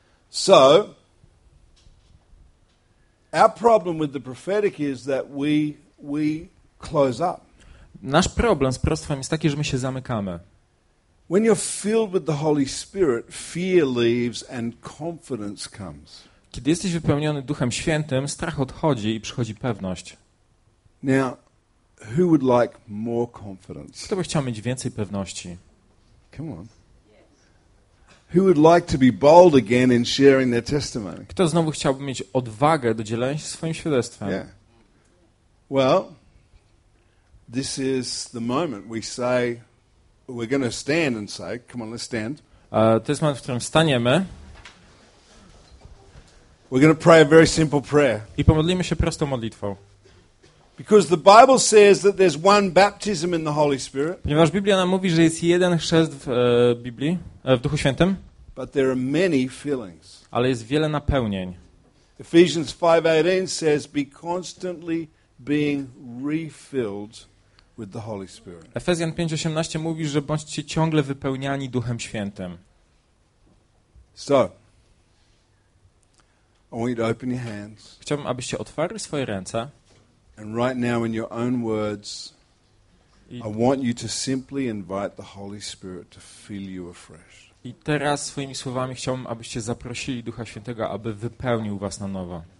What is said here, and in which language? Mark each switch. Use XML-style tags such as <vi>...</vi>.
<en>So our problem with the prophetic is that we close up.</en> <pl>Nasz problem z proroctwem jest taki, że my się zamykamy.</pl> <en>When you're filled with the Holy Spirit, fear leaves and confidence comes.</en> <pl>Kiedy jesteś wypełniony Duchem Świętym, strach odchodzi i przychodzi pewność.</pl> <en>Now, who would like more confidence?</en> <pl>Kto by chciał mieć więcej pewności?</pl> <en>Come on. Who would like to be bold again in sharing their testimony?</en> <pl>Kto znowu chciałby mieć odwagę do dzielenia się swoim świadectwem?</pl> <en>Yeah. Well, this is the moment we say we're going to stand and say, come on, let's stand.</en> <pl>To jest moment, w którym staniemy.</pl> <en>We're going to pray a very simple prayer.</en> <pl>I pomodlimy się prostą modlitwą.</pl> <en>Because the Bible says that there's one baptism in the Holy Spirit.</en> <pl>Ponieważ Biblia nam mówi, że jest jeden chrzest w Biblii, w Duchu Świętym.</pl> <en>But there are many fillings.</en> <pl>Ale jest wiele napełnień.</pl> <en>Ephesians 5:18 says, "Be constantly being refilled with the Holy Spirit."</en> <pl>Efezjan 5:18 mówi, że bądźcie ciągle wypełniani Duchem Świętym.</pl> <en>So, I want you to open your hands.</en> <pl>Chciałbym, abyście otwarli swoje ręce.</pl> <en>And right now, in your own words, I want you to simply invite the Holy Spirit to fill you afresh.</en> <pl>I teraz swoimi słowami chciałbym, abyście zaprosili Ducha Świętego, aby wypełnił was na nowo.</pl>